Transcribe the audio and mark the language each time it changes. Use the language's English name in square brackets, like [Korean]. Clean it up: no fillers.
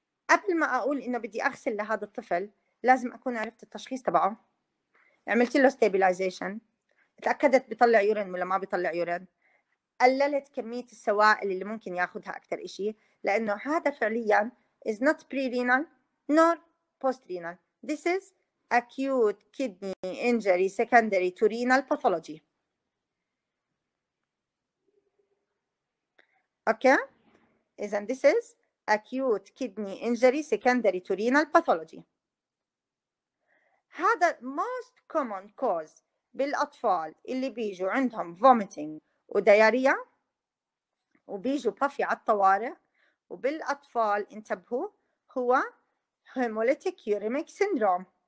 [Arabic] قبل ما اقول انه بدي اغسل لهذا الطفل، لازم اكون عرفت التشخيص تبعه، عملت له ستابلايزيشن، تاكدت بيطلع يورين ولا ما بيطلع يورين، قللت كميه السوائل اللي ممكن ياخذها اكثر شيء، لانه هذا فعليا [English] is not pre-renal nor post-renal. This is acute kidney injury secondary to renal pathology. Okay? [Arabic] إذن [English] this is acute kidney injury secondary to renal pathology. [Arabic] هذا [English] most common cause [Arabic] بالأطفال اللي بيجوا عندهم vomiting ودياريا وبيجوا بافي على الطوارئ، وبالأطفال انتبهوا هو hemolytic uremic syndrome.